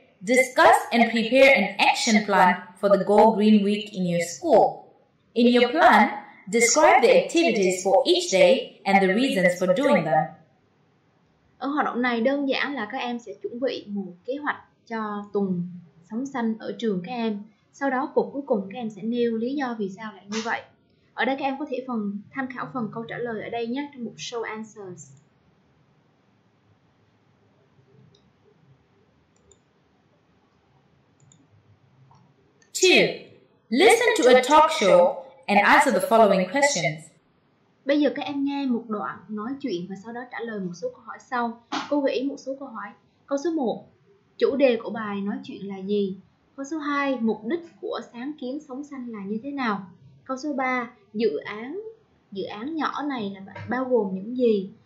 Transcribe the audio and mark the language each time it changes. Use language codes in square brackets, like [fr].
[en] Discuss and prepare an action plan for the Go Green Week in your school. In your plan, describe the activities for each day and the reasons for doing them. [vi] Ở hoạt động này đơn giản là các em sẽ chuẩn bị một kế hoạch cho tuần sống xanh ở trường các em. Sau đó cuộc cuối cùng các em sẽ nêu lý do vì sao lại như vậy. Ở đây các em có thể phần tham khảo phần câu trả lời ở đây nhé, trong mục Show Answers. [en] Two, listen to a talk show and answer the following questions. [vi] Bây giờ các em nghe một đoạn nói chuyện và sau đó trả lời một số câu hỏi sau. Cô gợi ý một số câu hỏi. Câu số 1, chủ đề của bài nói chuyện là gì? Câu số 2, mục đích của sáng kiến sống xanh là như thế nào? Câu số 3, dự án nhỏ này là bao gồm những gì?